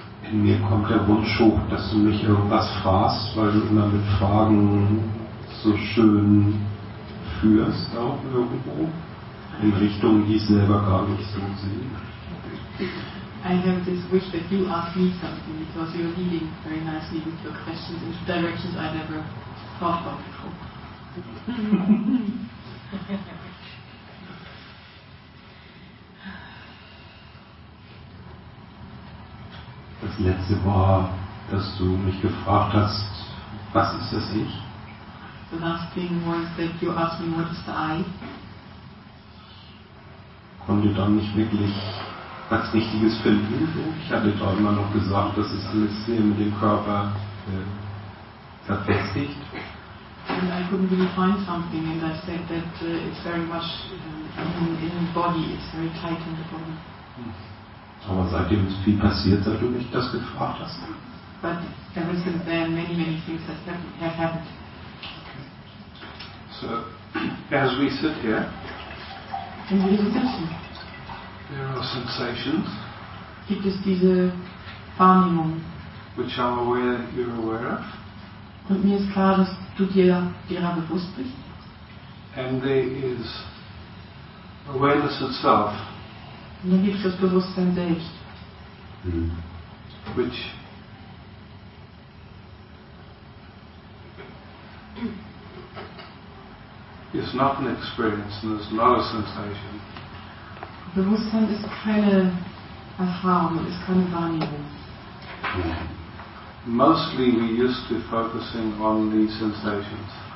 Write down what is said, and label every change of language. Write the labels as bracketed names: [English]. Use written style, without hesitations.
[German] In mir kommt der Wunsch hoch, dass du mich irgendwas fragst, weil du immer mit Fragen so schön führst, auch irgendwo, in Richtung, die ich selber gar nicht so sehe. [English] I have this wish that you ask me something, because you're leading very nicely with your questions in directions I never thought of before. [German] Das letzte war, dass du mich gefragt hast, was ist das Ich? [English] The last thing was that you asked me, what is the I? [German] Ich konnte dann nicht wirklich was Richtiges finden. Ich hatte da immer noch gesagt, das ist alles hier mit dem Körper verfestigt. [English] And I couldn't really find something and I said that it's very much in the body, it's very tight in the body. [German] Aber seitdem ist viel passiert, seit du mich das gefragt hast. [English] But ever since then, many, many things have happened. So, as we sit here, [German] in diesem Sitzen, [English] there are sensations, [German] gibt es diese Wahrnehmung, [English] which I'm aware you're aware of. [German] Und mir ist klar, dass du dir derer bewusst bist. [English] And there is awareness itself. [German] Und dann gibt es das Bewusstsein selbst. [English] Which is not an experience and it's not a sensation. [German] Bewusstsein ist keine Erfahrung, es ist keine Wahrnehmung. [English] Mostly we used to focusing on the sensations.